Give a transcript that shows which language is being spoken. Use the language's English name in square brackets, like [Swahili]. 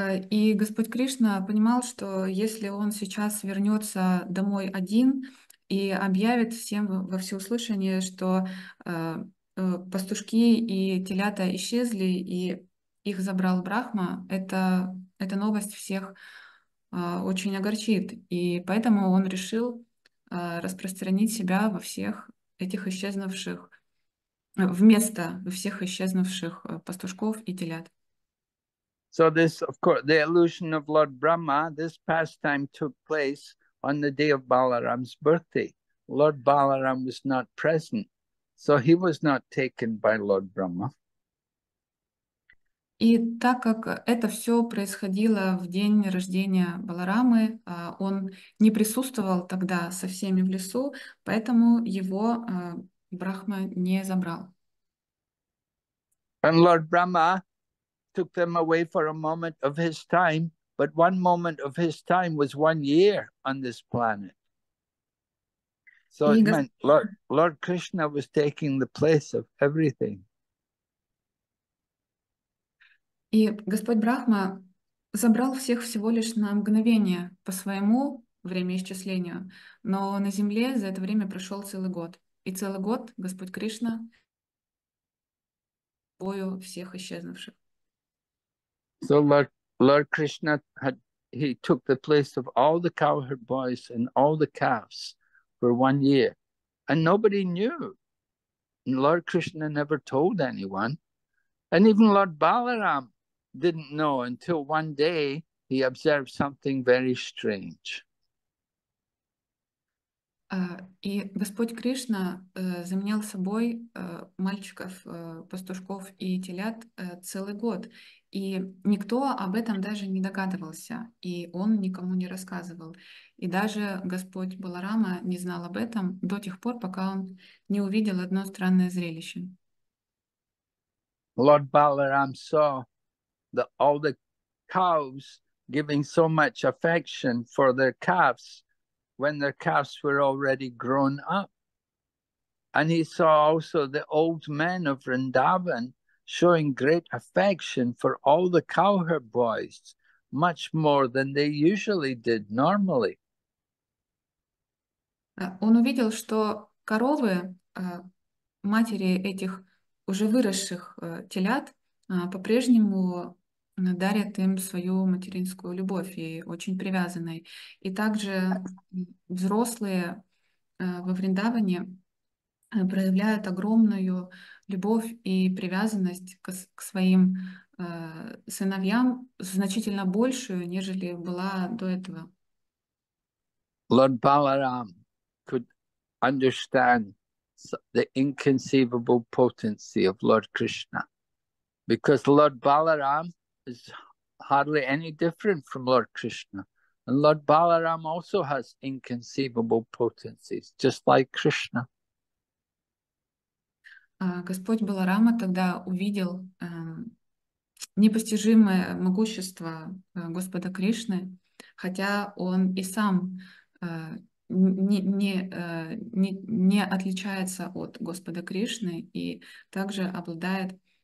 [Russian] И Господь Кришна понимал, что если он сейчас вернется домой один и объявит всем во всеуслышание, что пастушки и телята исчезли, и их забрал Брахма, эта новость всех очень огорчит. И поэтому он решил распространить себя во всех этих исчезнувших, вместо всех исчезнувших пастушков и телят. [English] So this, of course, the illusion of Lord Brahma, this pastime took place on the day of Balaram's birthday. Lord Balaram was not present, so he was not taken by Lord Brahma. [Russian] И так как это все происходило в день рождения Баларамы, он не присутствовал тогда со всеми в лесу, поэтому его Брахма не забрал. [English] And Lord Brahma took them away for a moment of his time, but one moment of his time was 1 year on this planet. So it meant Lord Krishna was taking the place of everything. [Russian] И Господь Брахма забрал всех всего лишь на мгновение по своему времяисчислению, но на земле за это время прошел целый год. И целый год Господь Кришна бою всех исчезнувших. [English] So Lord Krishna had, he took the place of all the cowherd boys and all the calves for 1 year. And nobody knew. And Lord Krishna never told anyone. And even Lord Balaram didn't know until one day he observed something very strange. [Russian] И Господь Кришна заменял собой мальчиков, пастушков и телят целый год. И никто об этом даже не догадывался, и он никому не рассказывал. И даже Господь Баларама не знал об этом до тех пор, пока он не увидел одно странное зрелище. [English] Lord Balaram saw that all the cows giving so much affection for their calves when their calves were already grown up. And he saw also the old men of Vrindavan showing great affection for all the cowherd boys, much more than they usually did normally. [Russian] Он увидел, что коровы, матери этих уже выросших телят, по-прежнему дарят им свою материнскую любовь и очень привязанной. И также взрослые во Вриндаване проявляют огромную любовь и привязанность к своим сыновьям, значительно большую, нежели была до этого. [English] Lord Balaram could understand the inconceivable potency of Lord Krishna, because Lord Balaram is hardly any different from Lord Krishna. And Lord Balaram also has inconceivable potencies, just like Krishna. [Russian] Господь Баларама тогда увидел непостижимое могущество Господа Кришны, хотя он и сам не отличается от Господа Кришны и также обладает